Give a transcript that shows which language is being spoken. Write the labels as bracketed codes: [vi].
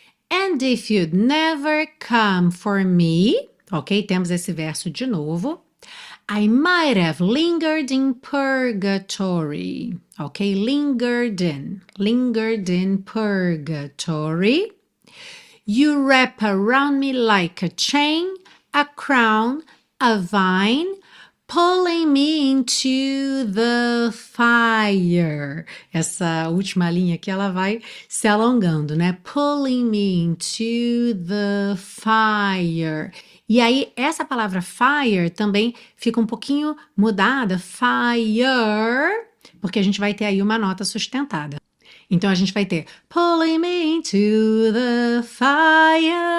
[en] And if you'd never come for me, ok, [pt] temos esse verso de novo, [en] I might have lingered in purgatory, ok, lingered in purgatory, you wrap around me like a chain, a crown, a vine, pulling me into the fire. [pt] Essa última linha aqui, ela vai se alongando, né? [en] Pulling me into the fire. [pt] E aí, essa palavra fire também fica um pouquinho mudada. Fire, porque a gente vai ter aí uma nota sustentada. [en] Então, a gente vai ter pulling me into the fire.